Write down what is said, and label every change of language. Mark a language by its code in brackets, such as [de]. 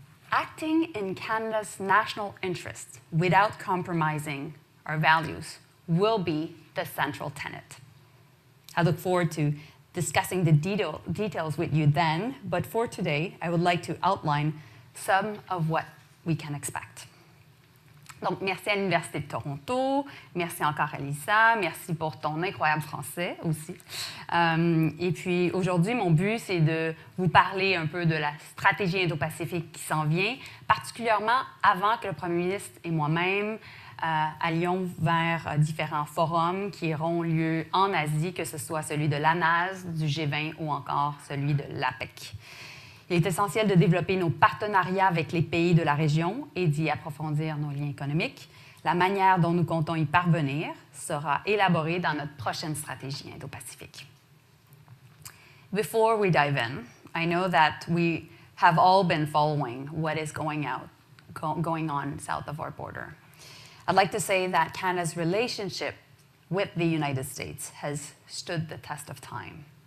[en] Acting in Canada's national interest without compromising our values will be the central tenet. I look forward to discussing the details with you then, but for today, I would like to outline some of what we can expect. [fr] Donc, merci à l'Université de Toronto, merci encore à Lisa, merci pour ton incroyable français aussi. Et puis aujourd'hui, mon but, c'est de vous parler un peu de la stratégie Indo-Pacifique qui s'en vient, particulièrement avant que le Premier ministre et moi-même allions vers différents forums qui auront lieu en Asie, que ce soit celui de l'ANAS, du G20 ou encore celui de l'APEC. Il est essentiel de développer nos partenariats avec les pays de la région et d'y approfondir nos liens économiques. La manière dont nous comptons y parvenir sera élaborée dans notre prochaine stratégie Indo-Pacifique. [en] Before we dive in, I know that we have all been following what is going on south of our border. I'd like to say that Canada's relationship with the United States has stood the test of time.